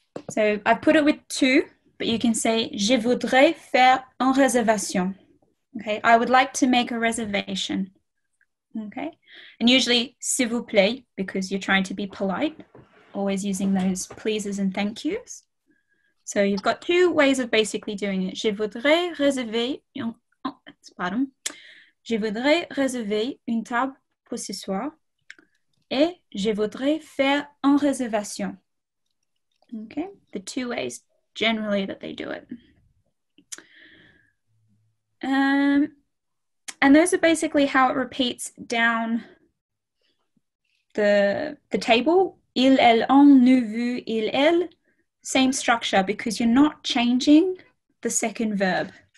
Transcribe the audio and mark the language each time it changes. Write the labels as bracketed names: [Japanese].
[English] So I put it with tu, but you can say, [French] je voudrais faire une réservation. [English] Okay. I would like to make a reservation. Okay, and usually [French] s'il vous plaît, [English] because you're trying to be polite, always using those pleases and thank yous. So you've got two ways of basically doing it. [French] Je voudrais réserver je voudrais réserver une table pour ce soir et je voudrais faire une réservation. [English] Okay, the two ways generally that they do it. And those are basically how it repeats down the table. [French] Il, elle, on, nous, vous, il, elle. [English] Same structure because you're not changing the second verb.